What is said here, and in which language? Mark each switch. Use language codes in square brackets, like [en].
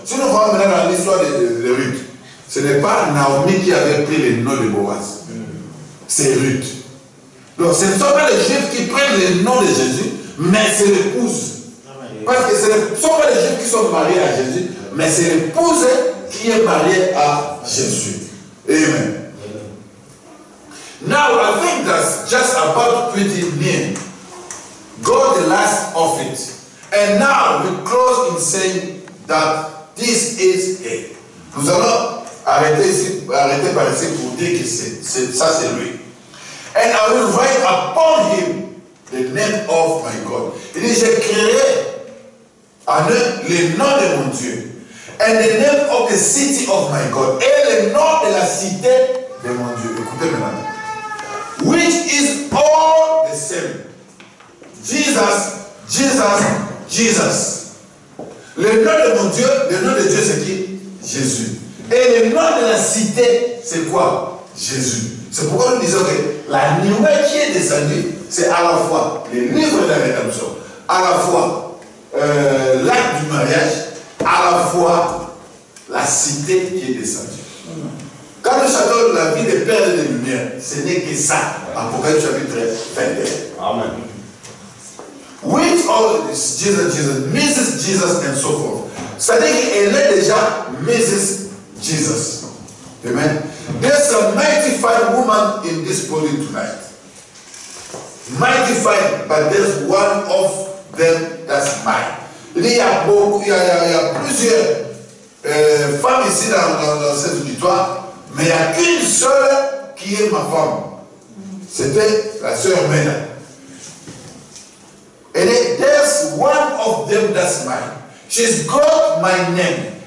[fr] Si nous voyons maintenant dans l'histoire de Ruth, ce n'est pas Naomi qui avait pris le nom de Boaz. C'est Ruth. Donc ce ne sont pas les Juifs qui prennent le nom de Jésus, mais c'est l'épouse. Parce que ce ne sont pas les Juifs qui sont mariés à Jésus, mais c'est l'épouse qui est mariée à Jésus. Amen. [en] Now I think that's just about pretty near. God the last of it. And now we close in saying that this is it. [fr] Nous allons arrêter ici, arrêter par ici pour dire que ça c'est lui. [en] And I will write upon him the name of my God. [fr] Il dit, j'ai créé en eux le nom de mon Dieu. [en] And the name of the city of my God. [fr] Et le nom de la cité de mon Dieu. Écoutez maintenant. [en] Which is all the same. Jesus, Jesus, Jesus. [fr] Le nom de mon Dieu, le nom de Dieu c'est qui? Jésus. Et le nom de la cité, c'est quoi? Jésus. C'est pourquoi nous disons que la nouvelle qui est descendue, c'est à la fois le livre de la rédemption, à la fois l'acte du mariage, à la fois la cité qui est descendue. Quand nous chantons la vie des pères et des lumières, ce n'est que ça. Apocalypse chapitre 21. Amen. [en] With all this, Jesus, Jesus, Mrs. Jesus, and so forth. [fr] C'est-à-dire qu'elle est déjà Mrs. Jesus. Amen. [en] There's a mighty fine woman in this building tonight. Mighty fine, but there's one of them that's mine. [fr] Il y a plusieurs femmes ici dans cette auditoire, mais il y a une seule qui est ma femme. C'était la sœur Mena. [en] And there's one of them that's mine. She's got my name.